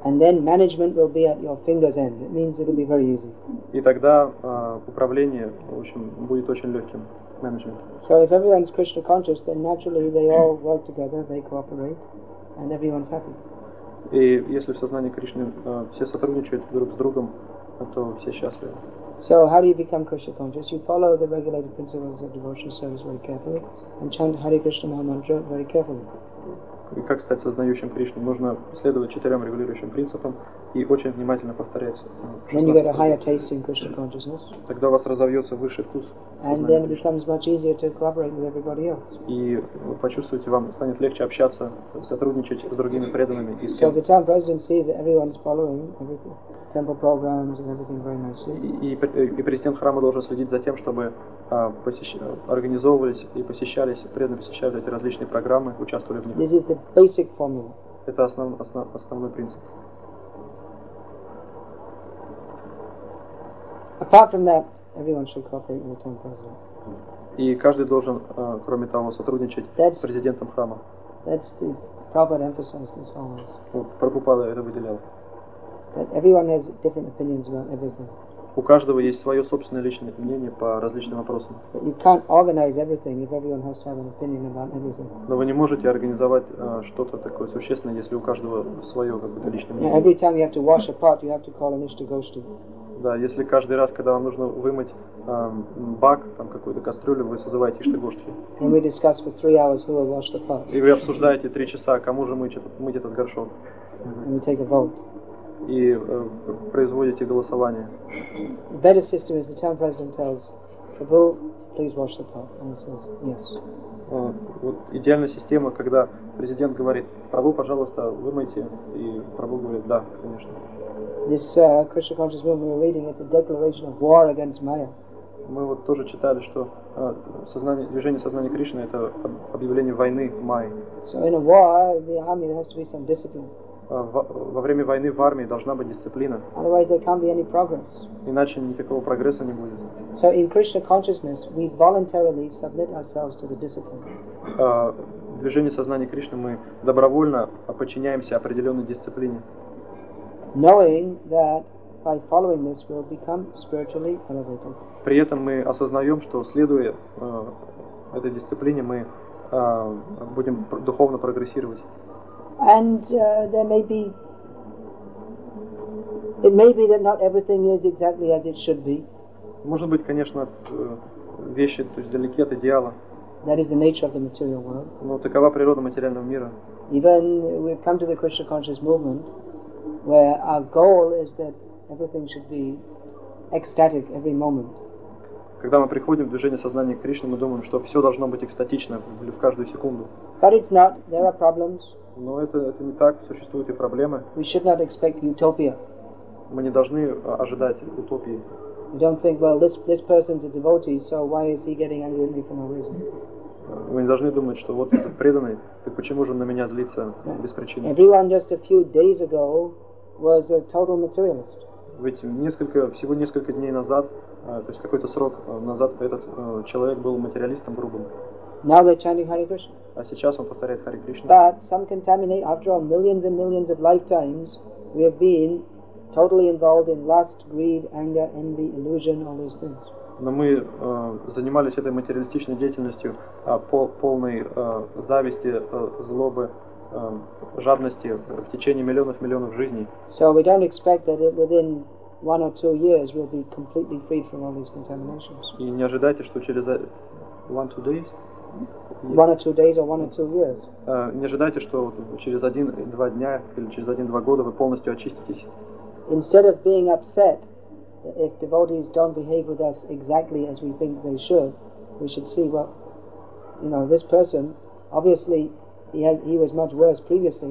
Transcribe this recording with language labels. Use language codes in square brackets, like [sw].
[en] And then management will be at your fingers' end. It means it'll be very easy. [ru] И тогда управление, в общем, будет очень легким. Management. [en] So if everyone's Krishna conscious, then naturally they all work together, they cooperate, and everyone's happy. [ru] И если в сознании Кришны все сотрудничают друг с другом, то все счастливы. [en] So how do you become Krishna conscious? You follow the regulated principles of devotional service very carefully and chant Hare Krishna Maha Mantra very carefully. [ru] И как стать сознающим Кришну? Нужно следовать четырем регулирующим принципам и очень внимательно повторять. [en] Then you get a higher taste in Krishna consciousness. [ru] Тогда у вас разовьется высший вкус. [en] And then it becomes much easier to cooperate with everybody else. [ru] И вы почувствуете, вам станет легче общаться, сотрудничать с другими преданными. [en] So the town president sees that everyone is following everything. Temple programs and everything very nicely. [ru] И президент храма должен следить за тем, чтобы организовывались и посещались, преданно посещали эти различные программы, участвовали в них. [en] This is the basic formula. [ru] Это основной принцип. [en] Apart from that, everyone should cooperate with the temple president. [ru] И каждый должен, кроме того, сотрудничать с президентом храма. [en] That's the Prabhupada emphasized this always. [ru] Прабхупада это выделял. [en] That everyone has different opinions about everything. [ru] У каждого есть свое собственное личное мнение по различным вопросам. [en] But you can't organize everything if everyone has to have an opinion about everything. [ru] Но вы не можете организовать что-то такое существенное, если у каждого свое какое-то личное мнение. [en] Yeah, every time you have to wash a pot, you have to call an Ishta Goshti. [ru] Да, если каждый раз, когда вам нужно вымыть бак, там какую-то кастрюлю, вы созываете Иштагоштхи. [en] And we discuss for 3 hours who will wash the pot. [ru] И вы обсуждаете 3 часа, кому же мыть этот горшок. [en] And we take a vote. [ru] И производите голосование. [en] Better system is the town president tells Prabhu, please wash the pot. And he says, yes. [ru] Вот идеальная система, когда президент говорит, Прабху, пожалуйста, вымойте, и Прабху говорит, да, конечно. [en] This Krishna conscious movement we're reading is a declaration of war against Maya. [ru] Мы вот тоже читали, что сознание, движение сознания Кришны — это объявление войны Майи. [en] So in a war, the army there has to be some discipline. [ru] Во время войны в армии должна быть дисциплина. [en] Otherwise there can't be any progress. [ru] Иначе никакого прогресса не будет. [en] So in Krishna consciousness we voluntarily submit ourselves to the discipline. [ru] В движении сознания Кришны мы добровольно подчиняемся определенной дисциплине. [en] Knowing that by following this we'll become spiritually elevated. [ru] При этом мы осознаем, что следуя этой дисциплине мы будем духовно прогрессировать. [en] And it may be that not everything is exactly as it should be. [ru] Может быть, конечно, вещи, то есть далеки от идеала. [en] That is the nature of the material world. [ru] Но такова природа материального мира. [en] Even we've come to the Krishna conscious movement, where our goal is that everything should be ecstatic every moment. [ru] Когда мы приходим в движение сознания к Кришне, мы думаем, что все должно быть экстатично в каждую секунду. [en] But it's not. There are problems. [ru] Но это не так. Существуют и проблемы. [en] We should not expect utopia. [ru] Мы не должны ожидать утопии. [en] We don't think, well, this person's a devotee, so why is he getting angry at me for no reason? [ru] Мы не должны думать, что вот этот преданный, так почему же он на меня злится без причины? [en] Everyone just a few days ago was a total materialist. [ru] Ведь всего несколько дней назад, то есть какой-то срок назад, этот человек был материалистом грубым. [en] Now they're chanting Hare Krishna. [ru] А сейчас он повторяет Харе Кришну. [en] But some contaminate, after all, millions and millions of lifetimes, we have been totally involved in lust, greed, anger, envy, illusion, all these things. [ru] Но мы занимались этой материалистичной деятельностью полной зависти, злобы, жадности в течение миллионов жизней. [en] So we don't expect that within one or two years we'll be completely freed from all these contaminations. [ru] И не ожидайте, что через [en] one-two days. One or two days or one or two years. [ru] Не ожидайте, что через 1-2 дня или через 1-2 года вы полностью очиститесь. [en] Instead of being upset if devotees don't behave with us exactly as we think they should, we should see, well, you know, this person, obviously, he was much worse previously.